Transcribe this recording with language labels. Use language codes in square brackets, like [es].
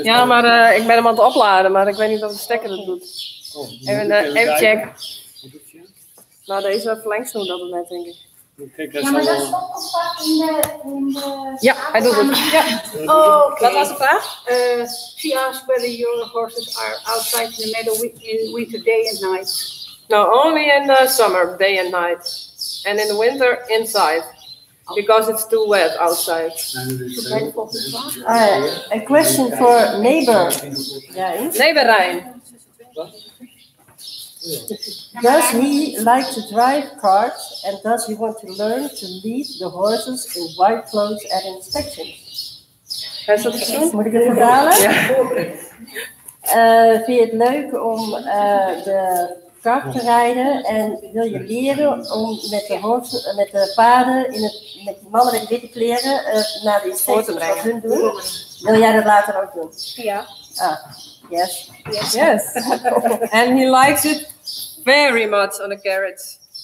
[nl] Ja, maar ik ben hem aan het opladen, maar ik weet niet of de stekker het doet. Even check. Nou, deze verlengsnoer dat het net, denk ik. Ja, maar dat stopt vaak in de... Ja, hij doet het. Ja. Oh, okay. Wat was de vraag? [en] She asked whether your horses are outside in the meadow in winter day and night. No, only in the summer, day and night. And in the winter, inside. Because it's too wet outside. A question for neighbor Rijn. Neighbor Rijn. Does he like to drive carts and does he want to learn to lead the horses in white clothes at inspection? [nl] Heb je dat gezien? Moet ik het vertalen? Vind je het leuk om de kart te rijden en wil je leren om met de horse, met de paarden, in het, met de mannen met witte kleren naar de inspectie te doen? Wil jij dat later ook doen? Ja. [en] Ah. Yes. Yes. And he likes it very much on a carriage.